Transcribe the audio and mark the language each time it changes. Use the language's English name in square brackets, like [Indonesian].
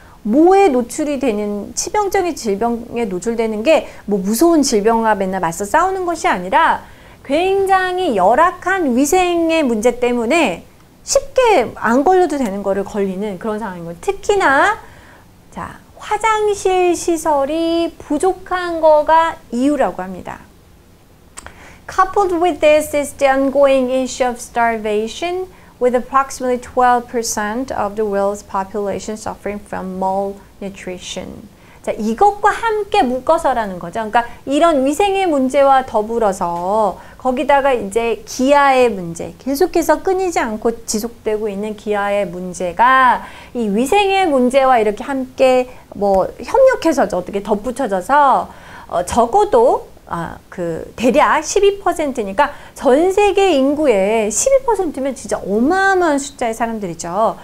[Korean] 뭐에 노출이 되는, 치명적인 질병에 노출되는 게 뭐 무서운 질병과 맨날 맞서 싸우는 것이 아니라 굉장히 열악한 위생의 문제 때문에 쉽게 안 걸려도 되는 거를 걸리는 그런 상황인 거예요. 특히나 자, 화장실 시설이 부족한 거가 이유라고 합니다. [English] Coupled with this is the ongoing issue of starvation, with approximately 12% of the world's population suffering from malnutrition. [Korean] 자, 이것과 함께 묶어서라는 거죠. 그러니까 이런 위생의 문제와 더불어서 거기다가 이제 기아의 문제, 계속해서 끊이지 않고 지속되고 있는 기아의 문제가 이 위생의 문제와 이렇게 함께 뭐 협력해서 어떻게 덧붙여져서 적어도 대략 12%니까 전 세계 인구의 12%면 진짜 어마어마한 숫자의 사람들이죠.